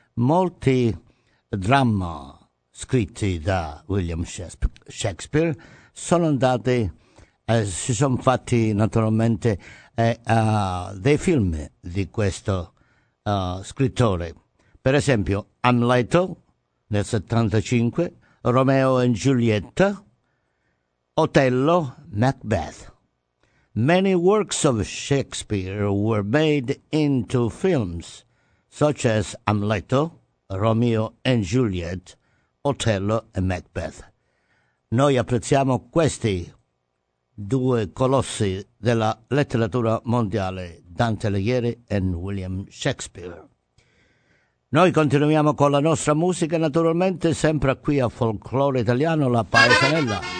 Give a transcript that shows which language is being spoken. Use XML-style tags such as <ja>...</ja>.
<it>Molti drammi scritti da William Shakespeare sono andati, si sono fatti naturalmente dei film di questo scrittore, per esempio Amleto nel 75, Romeo e Giulietta, Otello, Macbeth.</it> <en>Many works of Shakespeare were made into films, such as Amleto, Romeo and Juliet, Otello and Macbeth.</en> <it>noi apprezziamo questi due colossi della letteratura mondiale, Dante Alighieri e William Shakespeare. Noi continuiamo con la nostra musica, naturalmente sempre qui a Folklore Italiano, la Paesanella.</it>